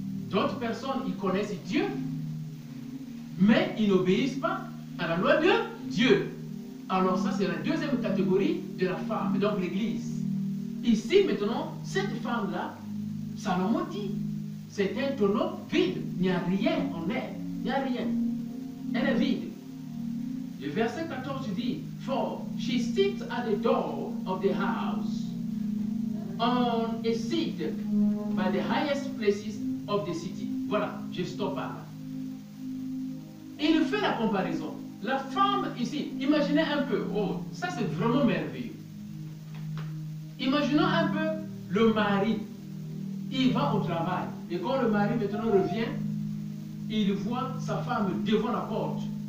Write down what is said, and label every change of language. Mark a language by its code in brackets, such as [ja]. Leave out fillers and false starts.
[fr] D'autres personnes, ils connaissent Dieu, mais ils n'obéissent pas à la loi de Dieu. Alors, ça, c'est la deuxième catégorie de la femme, donc l'Église. Ici, maintenant, cette femme-là, Salomon dit, c'est un tonneau vide. Il n'y a rien en elle. Il n'y a rien. Elle est vide. Le verset 14 dit, [en] for she sits at the door of the house, on a seat by the highest places of the city. [fr] Voilà, je stoppe là. Il fait la comparaison. La femme ici, imaginez un peu, oh, ça c'est vraiment merveilleux. Imaginons un peu le mari, il va au travail, et quand le mari maintenant revient, il voit sa femme devant la porte.